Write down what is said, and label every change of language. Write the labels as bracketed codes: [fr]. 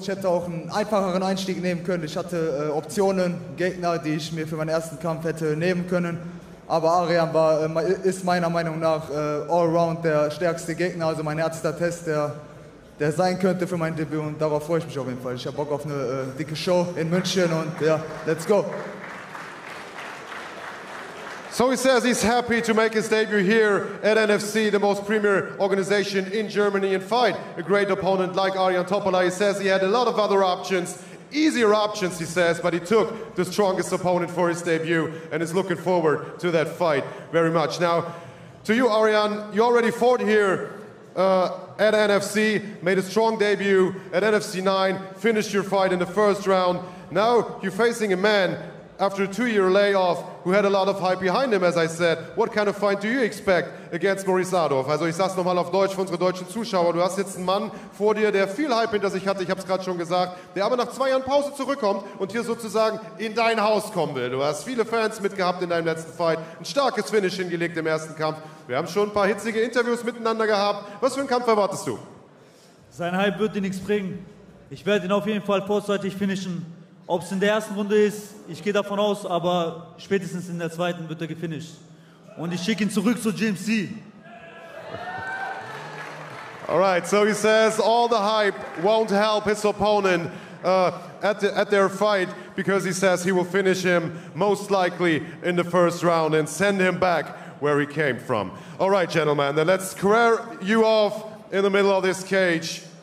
[de] Ich hätte auch einen einfacheren Einstieg nehmen können. Ich hatte Optionen, Gegner, die ich mir für meinen ersten Kampf hätte nehmen können. Aber Arian ist meiner Meinung nach allround der stärkste Gegner. Also mein erster Test, der sein könnte für mein Debüt, und darauf freue ich mich auf jeden Fall. Ich habe Bock auf eine dicke Show in München, und ja, [en] let's go. So he says he's happy to make his debut here at NFC, the most premier organization in Germany, and fight a great opponent like Arian Topalay. He says he had a lot of other options, easier options, he says, but he took the strongest opponent for his debut and is looking forward to that fight very much. Now, to you, Arian, you already fought here at NFC, made a strong debut at NFC 9, finished your fight in the first round. Now you're facing a man after a 2-year layoff who had a lot of hype behind him, as I said. What kind of fight do you expect against Maurice Adolf? [de] Also ich sag's nochmal auf Deutsch für unsere deutschen Zuschauer. Du hast jetzt einen Mann vor dir, der viel Hype hinter sich hatte, ich hab's gerade schon gesagt, der aber nach 2 Jahren Pause zurückkommt und hier sozusagen in dein Haus kommen will. Du hast viele Fans mitgehabt in deinem letzten Fight, ein starkes Finish hingelegt im ersten Kampf. Wir haben schon ein paar hitzige Interviews miteinander gehabt. Was für einen Kampf erwartest du? Sein Hype wird dir nichts bringen. Ich werde ihn auf jeden Fall vorzeitig finishen. Ob es in der ersten Runde ist, ich gehe davon aus, aber spätestens in der zweiten wird er gefinisht. Und ich schicke ihn zurück zu GMC. [en] Alright, so he says all the hype won't help his opponent at their fight, because he says he will finish him most likely in the first round and send him back where he came from. Alright, gentlemen, then let's square you off in the middle of this cage.